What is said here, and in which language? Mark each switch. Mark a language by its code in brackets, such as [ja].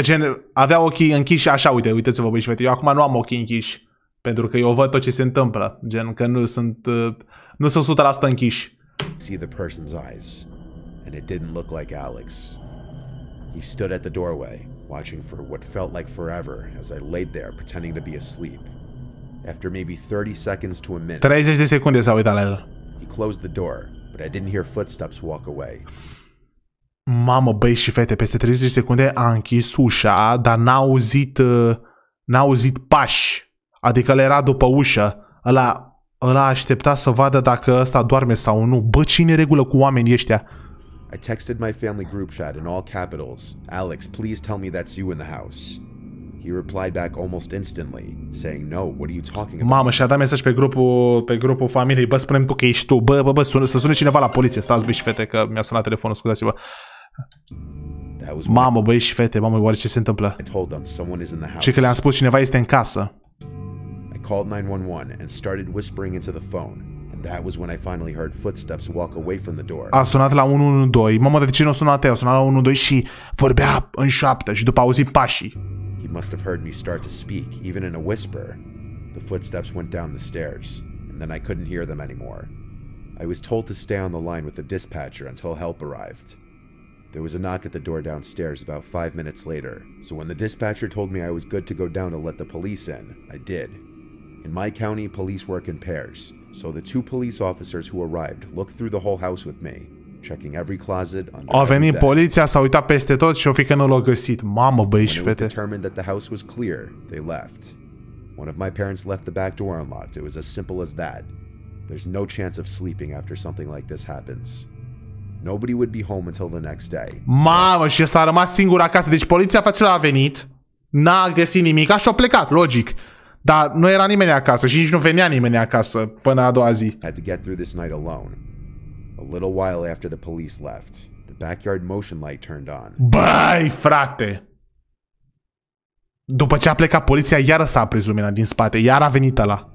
[ro] gen, avea ochii închiși așa, uite, uitați-vă, băi și fete, eu acum nu am ochii închiși. Pentru că eu văd tot ce se întâmplă, gen, că nu sunt 100% închiși. [en] See the person's eyes, and it didn't look like Alex. He stood at the doorway, watching for what felt like forever as I laid there pretending to be asleep. After maybe 30 seconds to a minute, [ro] 30 de secunde s-a uitat la el. [en] He closed the door, but I didn't hear footsteps walk away. [ro] Mamă, băi și fete, peste 30 de secunde a închis ușa, dar n-a auzit pași. Adică el era după ușă. Ăla aștepta să vadă dacă ăsta doarme sau nu. Bă, cine regulă cu oamenii ăștia? [en] I texted my family group chat in all capitals. Alex, please tell me that's you in the house. He replied back almost instantly, saying, "No, what are you talking about?" [ro] Mamă, și-a dat mesaj pe grupul familiei. Bă, spune-mi tu că ești tu. Bă, să sune cineva la poliție. Stați, băi și fete, că mi-a sunat telefonul, scuzați-vă. Mamă, băi și fete, mamă, oare ce se întâmplă? [en] I told them someone is in the house. [ro] Și că le-am spus, cineva este în casă. [en] I called 911 and started whispering into the phone. That was when I finally heard footsteps walk away from the door. [ro] A sunat la 112. Mama, de ce nu a sunat aia? A sunat la 112 și vorbea în șoaptă și după a auzit pașii. [en] He must have heard me start to speak, even in a whisper. The footsteps went down the stairs, and then I couldn't hear them anymore. I was told to stay on the line with the dispatcher until help arrived. There was a knock at the door downstairs about 5 minutes later. So when the dispatcher told me I was good to go down to let the police in, I did. In my county, police work in pairs. So the two police officers who arrived looked through the whole house with me, checking every closet under [ro] a venit poliția, s-a uitat peste tot și o fi că nu l-au găsit. Mamă, băi și fete. [en] When it was determined that the house was clear, they left. One of my parents left the back door unlocked. It was as simple as that. There's no chance of sleeping after something like this happens. Nobody would be home until the next day. [ro] Mamă, și s-a rămas singur acasă. Deci poliția fraților a venit, n-a găsit nimic, așa a plecat, logic. Dar nu era nimeni acasă și nici nu venea nimeni acasă până a doua zi. [en] Had to get through this night alone. A little while after the police left, the backyard motion light turned on. [ro] Băi, frate! După ce a plecat poliția, iară s-a aprins lumina din spate, iar a venit ăla.